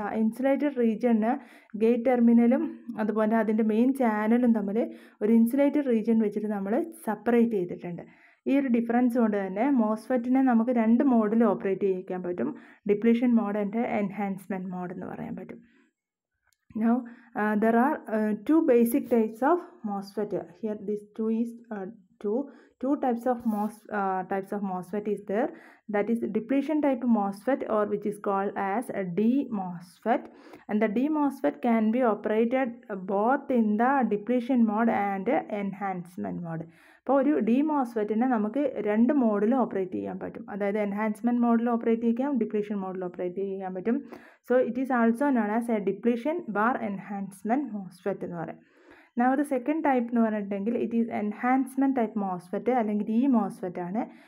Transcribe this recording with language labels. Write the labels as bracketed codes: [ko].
[ml] ആ insulated റീജിയന് gate ടെർമിനലും അതുപോലെ അതിൻ്റെ മെയിൻ ചാനലും തമ്മിൽ ഒരു ഇൻസുലേറ്റഡ് റീജിയൻ വെച്ചിട്ട് നമ്മൾ സെപ്പറേറ്റ് ചെയ്തിട്ടുണ്ട്. ഈ ഒരു ഡിഫറൻസ് കൊണ്ട് തന്നെ മോസ്ഫെറ്റിനെ നമുക്ക് രണ്ട് മോഡിൽ ഓപ്പറേറ്റ് ചെയ്യിക്കാൻ പറ്റും, depletion mode and enhancement mode എന്ന് പറയാൻ പറ്റും. [en] Now there are two basic types of MOSFET here. This two is two types of MOSFET is there, that is depletion type MOSFET, or which is called as a D MOSFET. And the D MOSFET can be operated both in the depletion mode and enhancement mode. [ml] അപ്പോൾ ഒരു D മോസ്ഫെറ്റിനെ നമുക്ക് രണ്ട് മോഡിലും operate ചെയ്യാൻ പറ്റും, അതായത് enhancement മോഡിലും operate ചെയ്യാം, depletion മോഡിലും operate ചെയ്യാൻ പറ്റും. [en] so it is also known as a depletion bar enhancement MOSFET [ml] എന്ന് പറയും. നാ ഒരു സെക്കൻഡ് ടൈപ്പ് എന്ന് പറഞ്ഞിട്ടുണ്ടെങ്കിൽ [en] it is enhancement type MOSFET [ml] അല്ലെങ്കിൽ ഈ മോസ്ഫെറ്റ് ആണ്.